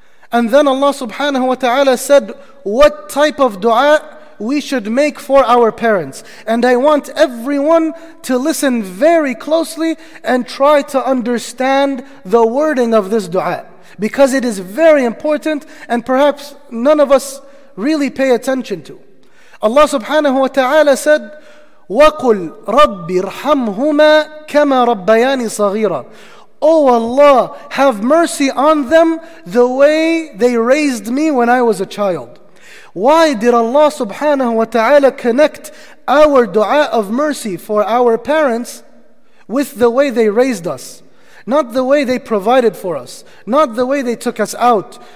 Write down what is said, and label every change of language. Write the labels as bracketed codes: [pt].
[en] And then Allah subhanahu wa ta'ala said what type of dua we should make for our parents. And I want everyone to listen very closely and try to understand the wording of this dua, because it is very important and perhaps none of us really pay attention to. Allah subhanahu wa ta'ala said, [ar] وَقُلْ رَبِّ ارْحَمْهُمَا كَمَا رَبَّيَانِ صَغِيرًا. [en] Oh Allah, have mercy on them the way they raised me when I was a child. Why did Allah subhanahu wa ta'ala connect our dua of mercy for our parents with the way they raised us? Not the way they provided for us. Not the way they took us out.